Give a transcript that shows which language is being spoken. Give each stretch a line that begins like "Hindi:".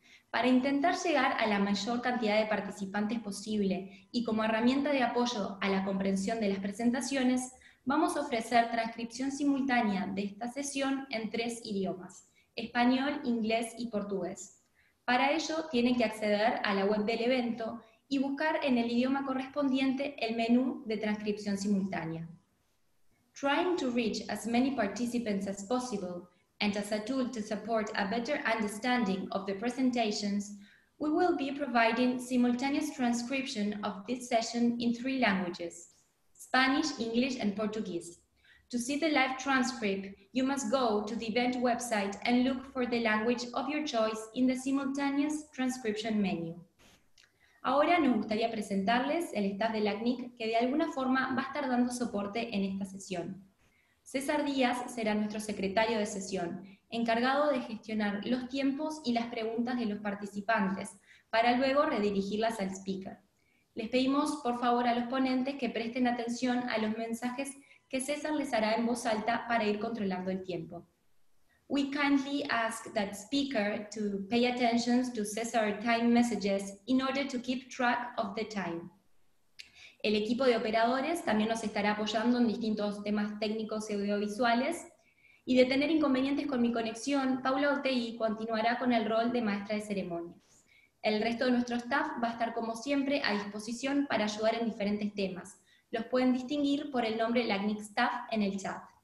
Spanish: Para intentar llegar a la mayor cantidad de participantes posible y como herramienta de apoyo a la comprensión de las presentaciones, vamos a ofrecer transcripción simultánea de esta sesión en tres idiomas, español, inglés y portugués. Para ello, tienen que acceder a la web del evento y buscar en el idioma correspondiente el menú de transcripción simultánea.
English: Trying to reach as many participants as possible, and as a tool to support a better understanding of the presentations, we will be providing simultaneous transcription of this session in three languages, Spanish, English, and Portuguese. To see the live transcript, you must go to the event website and look for the language of your choice in the simultaneous transcription menu.
Spanish: Ahora nos gustaría presentarles el staff de ACNIC que de alguna forma va a estar dando soporte en esta sesión. César Díaz será nuestro secretario de sesión, encargado de gestionar los tiempos y las preguntas de los participantes, para luego redirigirlas al speaker. Les pedimos, por favor, a los ponentes que presten atención a los mensajes que César les hará en voz alta para ir controlando el tiempo.
English: We kindly ask that speaker to pay attention to César's time messages in order to keep track of the time.
Spanish: El equipo de operadores también nos estará apoyando en distintos temas técnicos y audiovisuales. Y de tener inconvenientes con mi conexión, Paula Otegui continuará con el rol de maestra de ceremonias. El resto de nuestro staff va a estar como siempre a disposición para ayudar en diferentes temas. Los pueden distinguir por el nombre LACNIC Staff en el chat.